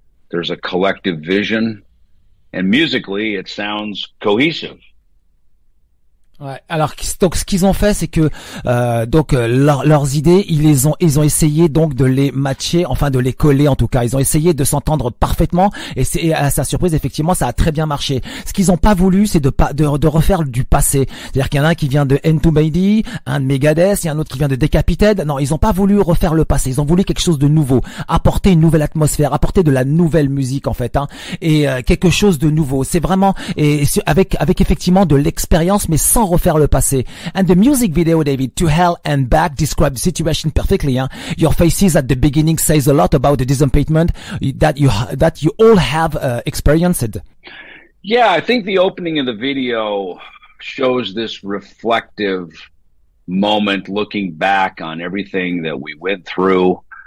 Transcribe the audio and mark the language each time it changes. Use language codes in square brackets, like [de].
[en] There's a collective vision, and musically it sounds cohesive. [fr] Ouais, alors donc ce qu'ils ont fait, c'est que leurs idées, ils ont essayé donc de les matcher, enfin de les coller en tout cas. Ils ont essayé de s'entendre parfaitement, et à sa surprise, effectivement, ça a très bien marché. Ce qu'ils ont pas voulu, c'est de refaire du passé. C'est-à-dire qu'il y en a un qui vient de Entombed, un de Megadeth, et un autre qui vient de Decapitated. Non, ils ont pas voulu refaire le passé. Ils ont voulu quelque chose de nouveau, apporter une nouvelle atmosphère, apporter de la nouvelle musique en fait, hein, et quelque chose de nouveau. C'est vraiment avec effectivement de l'expérience, mais sans refaire le passé. [en] And the music video, David, To Hell and Back, describes the situation perfectly. Hein? Your faces at the beginning says a lot about the disappointment that you all have experienced. Yeah, I think the opening of the video shows this reflective moment, looking back on everything that we went through.